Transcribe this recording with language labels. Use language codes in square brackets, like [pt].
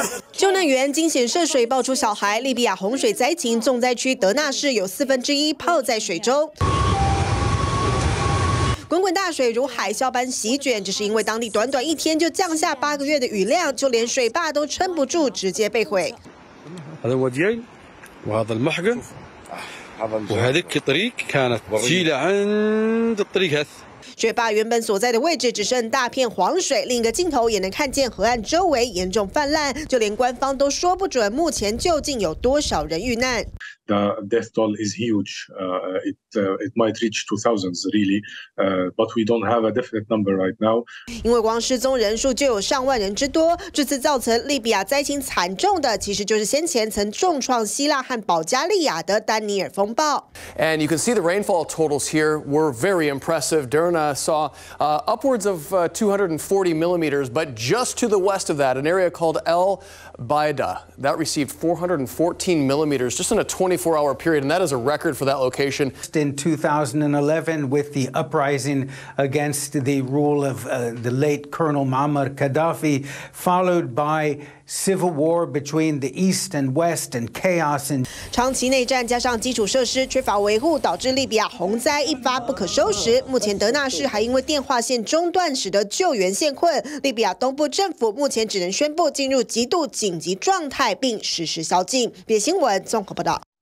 [zh] 救难员惊险涉水抱出小孩，利比亚洪水灾情，重灾区德纳市有1/4泡在水中。滚滚大水如海啸般席卷，只是因为当地短短一天就降下8个月的雨量，就连水坝都撑不住，直接被毁。 [ar] هذا الوديين وهذا المحقن وهذيك الطريق كانت سيلة عند الطريق هذا [zh] 水坝原本所在的位置只剩大片黄水，另一个镜头也能看见河岸周围严重泛滥，就连官方都说不准目前究竟有多少人遇难。 [en] The death toll is huge. It might reach to thousands, really. But we don't have a definite number right now. [zh] 因为光失踪人数就有上万人之多，这次造成利比亚灾情惨重的，其实就是先前曾重创希腊和保加利亚的丹尼尔风暴。 [en] And you can see the rainfall totals here were very impressive. Derna saw upwards of 240 millimeters, but just to the west of that, an area called El Baida that received 414 millimeters, just in a 24-hour period, and that is a record for that location. In 2011, with the uprising against the rule of the late Colonel Muammar Gaddafi, followed by civil war between the east and west and chaos, and [zh] 长期内战加上基础设施缺乏维护，导致利比亚洪灾一发不可收拾。目前德纳市还因为电话线中断，使得救援陷困。利比亚东部政府目前只能宣布进入极度紧急状态，并实施宵禁。别新闻综合报道。